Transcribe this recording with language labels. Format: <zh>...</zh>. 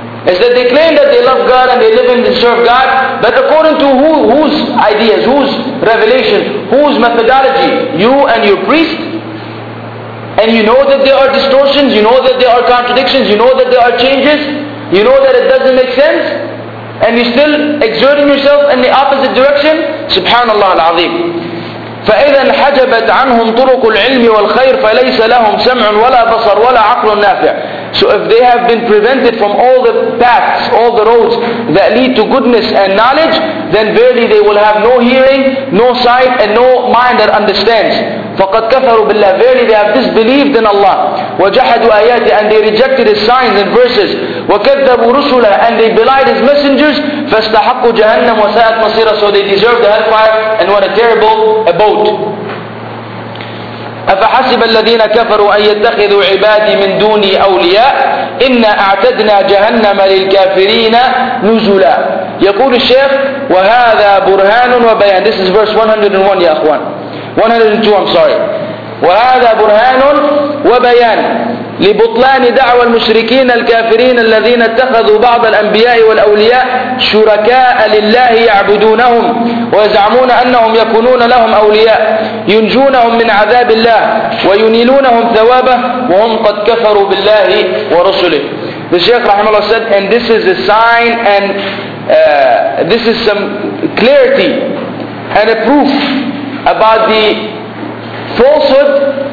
<en>Is that they claim that they love God and they live in and serve God, but according to whose ideas, whose revelation, whose methodology? You and your priest? And you know that there are distortions, you know that there are contradictions, you know that there are changes, you know that it doesn't make sense, and you're still exerting yourself in the opposite direction?</en> <ar>Subhanallah al-Azim. فإذا حجبت عنهم طرق العلم والخير فليس لهم سمع ولا بصر ولا عقل نافع.</ar> <en>So if they have been prevented from all the paths, all the roads that lead to goodness and knowledge, then verily they will have no hearing, no sight, and no mind that understands.</en> <ar>فقد كفروا بالله.</ar> <en>Verily they have disbelieved in Allah.</en> <ar>وجحدوا آياته.</ar> <en>And they rejected His signs and verses.</en> <ar>وكذبوا رسله.</ar> <en>And they belied His messengers.</en> <ar>فاستحقوا جهنم وساءت مصيرا.</ar> <en>So they deserve the hellfire and what a terrible abode.</en> <ar>أفحسب الذين كفروا أن يتخذوا عبادي من دوني أولياء إنا أعتدنا جهنم للكافرين نزلا. يقول الشيخ وهذا برهان وبيان.</ar> <en>This is verse 101</en> <ar>يا أخوان,</ar> <en>102 I'm sorry.</en> <ar>وهذا برهان وبيان لبطلان دعوى المشركين الكافرين الذين اتخذوا بعض الأنبياء والأولياء شركاء لله يعبدونهم ويزعمون أنهم يكونون لهم أولياء ينجونهم من عذاب الله وينيلونهم ثوابه وهم قد كفروا بالله ورسله.</ar> <en>The Shaykh رحمه الله said, and this is a sign and this is some clarity and a proof about the falsehood</en>